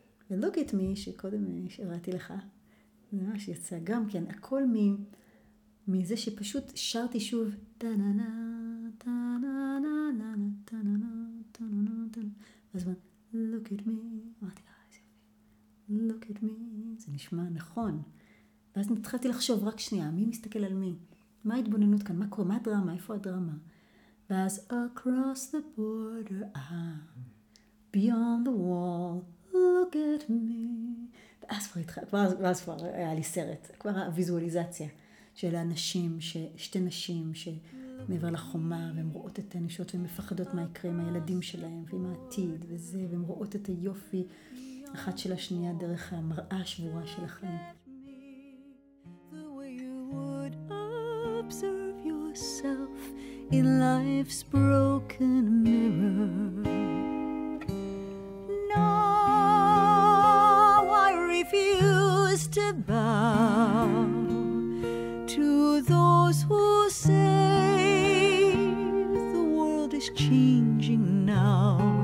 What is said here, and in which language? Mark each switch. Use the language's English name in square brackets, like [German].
[Hebrew] ולוק את מי שקודם שראיתי לך, זה ממש יצא גם כן, הכל מזה שפשוט שרתי שוב, טננה, טננה, טננה, טננה, טננה, טננה, אז [English] לוק את מי, [Hebrew] אמרתי, לוק את מי, זה נשמע נכון. ואז התחלתי לחשוב רק שנייה, מי מסתכל על מי? מה ההתבוננות כאן? מה קורה? מה הדרמה? איפה הדרמה? [English] ואז, across the border, beyond the wall, look at me. [Hebrew] ואז כבר התחלתי, כבר היה לי סרט, כבר הוויזואליזציה של האנשים, שתי נשים שמעבר לחומה, והן רואות את הנשות והן מפחדות מה יקרה עם הילדים שלהם, ועם העתיד וזה, והן רואות את היופי אחת של השנייה דרך המראה השבורה של החיים. [English] Observe yourself in life's broken mirror. No, I refuse to bow to those who say the world is changing now,